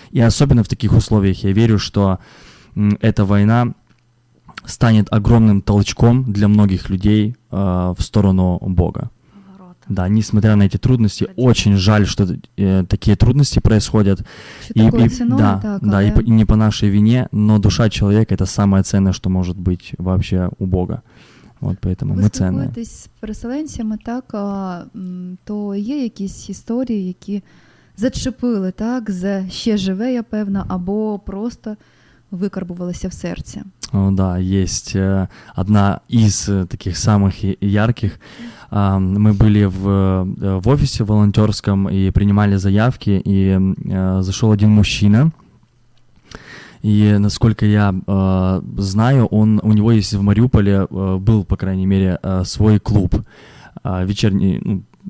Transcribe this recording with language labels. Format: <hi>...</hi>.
<ru>И особенно в таких условиях я верю, что эта война станет огромным толчком для многих людей в сторону Бога. Да, несмотря на эти трудности, очень жаль, что такие трудности происходят. И не по нашей вине, но душа человека — это самое ценное, что может быть вообще у Бога. Вот поэтому мы ценны.</ru> <uk>Ви спілкуєтесь з переселенцями, так, то є якісь історії, які зачепили, так, за «ще живе, я певна», або просто викарбувалися в серці?</uk> <ru>О, да, есть одна из таких самых ярких. Мы были в офисе волонтерском и принимали заявки, и зашел один мужчина, и, насколько я знаю, у него есть в Мариуполе, был, по крайней мере, свой клуб, вечерний</ru>